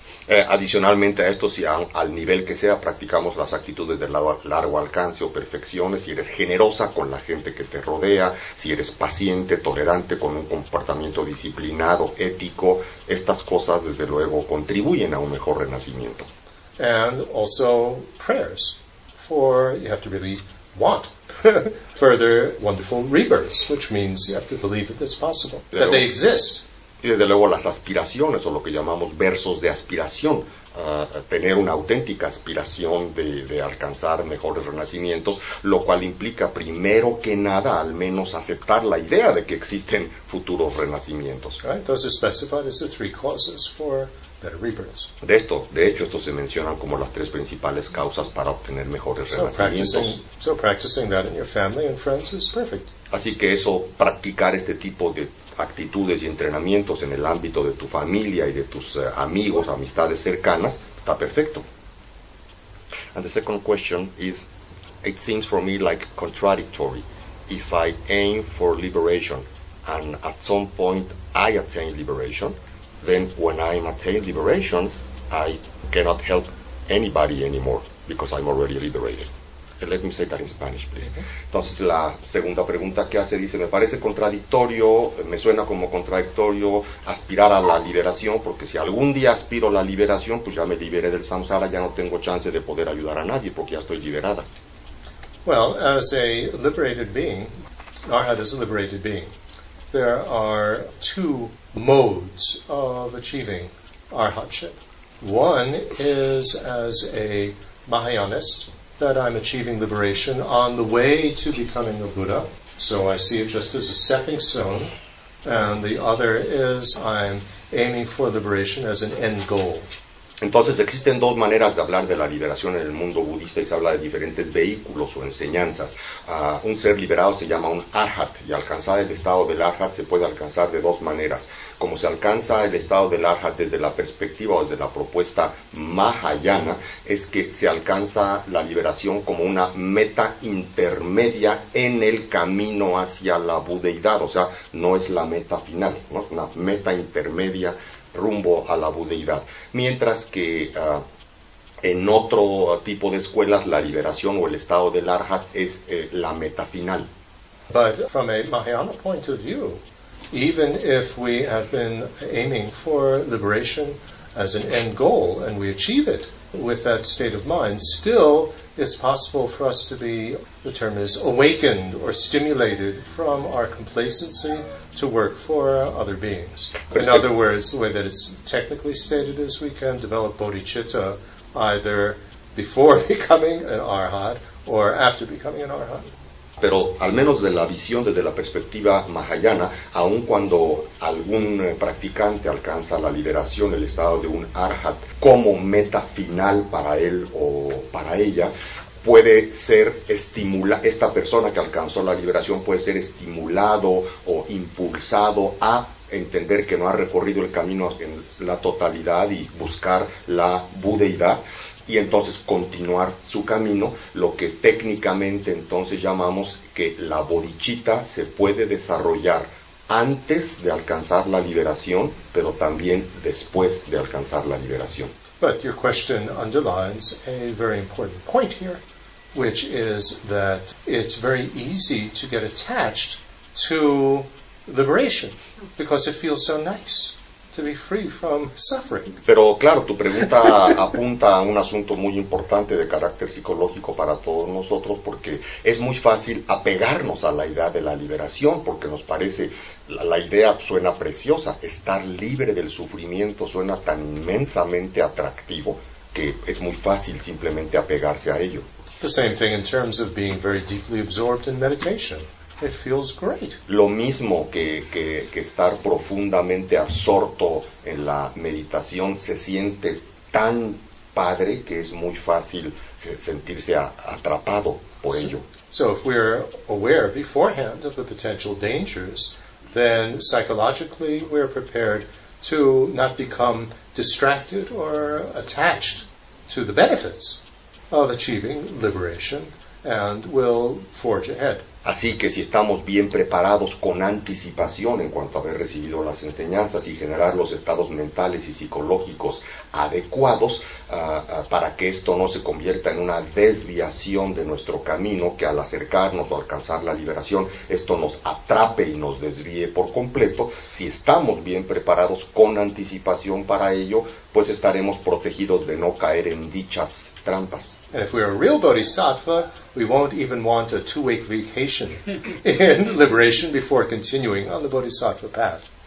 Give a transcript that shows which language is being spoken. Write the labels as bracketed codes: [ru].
[es] Adicionalmente a esto, si al nivel que sea, practicamos las actitudes de largo alcance o perfecciones, si eres generosa con la gente que te rodea, si eres paciente, tolerante, con un comportamiento disciplinado, ético, estas cosas desde luego contribuyen a un mejor renacimiento. [en] And also prayers, for you have to really want further wonderful rebirths, which means you have to believe that it's possible, [es] luego, [en] that they exist. [es] Y desde luego las aspiraciones, o lo que llamamos versos de aspiración, tener una auténtica aspiración de alcanzar mejores renacimientos, lo cual implica primero que nada al menos aceptar la idea de que existen futuros renacimientos. [en] Right, those are specified as the three causes for better rebirths. [es] De esto, de hecho, estos se mencionan como las tres principales causas para obtener mejores renacimientos. [en] So practicing that in your family and friends is perfect. [es] Así que eso, practicar este tipo de actitudes y entrenamientos en el ámbito de tu familia y de tus amigos, amistades cercanas, está perfecto. [en] And the second question is, it seems for me like contradictory. If I aim for liberation and at some point I attain liberation, then when I attain liberation, I cannot help anybody anymore because I'm already liberated. Let me say that in Spanish, please. [es] Entonces, la segunda pregunta que hace dice, me parece contradictorio, me suena como contradictorio aspirar a la liberación, porque si algún día aspiro a la liberación, pues ya me liberé del samsara, ya no tengo chance de poder ayudar a nadie, porque ya estoy liberada. [en] Well, as a liberated being, Arhat is a liberated being, there are two modes of achieving Arhatship. One is as a Mahayanist, that I'm achieving liberation on the way to becoming a Buddha. So I see it just as a stepping stone. And the other is I'm aiming for liberation as an end goal. [es] Entonces existen dos maneras de hablar de la liberación en el mundo budista y se habla de diferentes vehículos o enseñanzas. Un ser liberado se llama un arhat y alcanzar el estado del arhat se puede alcanzar de dos maneras. Como se alcanza el estado del arhat desde la perspectiva o desde la propuesta mahayana, es que se alcanza la liberación como una meta intermedia en el camino hacia la budeidad. O sea, no es la meta final, ¿no? Una meta intermedia rumbo a la budeidad. Mientras que en otro tipo de escuelas, la liberación o el estado del arhat es la meta final. [en] But from a Mahayana point of view, even if we have been aiming for liberation as an end goal and we achieve it with that state of mind, still it's possible for us to be, the term is, awakened or stimulated from our complacency to work for other beings. In other words, the way that it's technically stated is we can develop bodhicitta either before becoming an arhat or after becoming an arhat. [es] Pero al menos de la visión, desde la perspectiva mahayana, aun cuando algún practicante alcanza la liberación, el estado de un arhat, como meta final para él o para ella, puede ser estimulado, esta persona que alcanzó la liberación puede ser estimulado o impulsado a entender que no ha recorrido el camino en la totalidad y buscar la budeidad, y entonces continuar su camino, lo que técnicamente entonces llamamos que la bodhicitta se puede desarrollar antes de alcanzar la liberación, pero también después de alcanzar la liberación. [en] But your question underlines a very important point here, which is that it's very easy to get attached to liberation, because it feels so nice to be free from suffering. [es] Pero claro, tu pregunta apunta a un asunto muy importante de carácter psicológico para todos nosotros, porque es muy fácil apegarnos a la idea de la liberación, porque nos parece, la idea suena preciosa, estar libre del sufrimiento suena tan inmensamente atractivo que es muy fácil simplemente apegarse a ello. [en] The same thing in terms of being very deeply absorbed in meditation. It feels great. [es] Lo mismo que estar profundamente absorto en la meditación se siente tan padre que es muy fácil sentirse atrapado por ello. [en] So if we're aware beforehand of the potential dangers, then psychologically we're prepared to not become distracted or attached to the benefits of achieving liberation and will forge ahead. [es] Así que si estamos bien preparados con anticipación en cuanto a haber recibido las enseñanzas y generar los estados mentales y psicológicos adecuados para que esto no se convierta en una desviación de nuestro camino, que al acercarnos o alcanzar la liberación esto nos atrape y nos desvíe por completo, si estamos bien preparados con anticipación para ello, pues estaremos protegidos de no caer en dichas trampas. [en] And if we're a real bodhisattva, we won't even want a two-week vacation in liberation before continuing on the bodhisattva path.